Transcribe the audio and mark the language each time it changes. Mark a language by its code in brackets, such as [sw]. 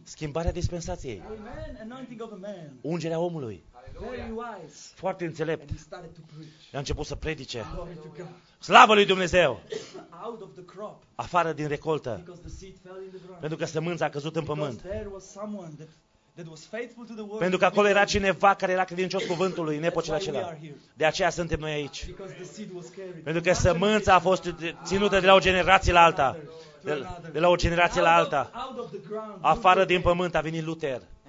[ro] Schimbarea dispensației. [en] Amen. Anointing of a man. [ro] Ungerea omului. [en] Very wise. [ro] Foarte înțelept. [en] And he started to preach. [ro] A început să predice. [en] Hallelujah. [ro] Slavă lui Dumnezeu. [en] Out of the crop. [ro] Afară din recoltă. [en] Because the seed fell in the ground. [ro] Pentru că sămânța a căzut în pământ. [en] Because there was someone that was faithful to the word. [ro] Pentru că acolo era cineva care era credincios cuvântului în epocile acelea. De aceea suntem noi aici. Pentru că sămânța a fost ținută de la o generație la alta. De la o generație la alta. Afară din pământ a venit Luther.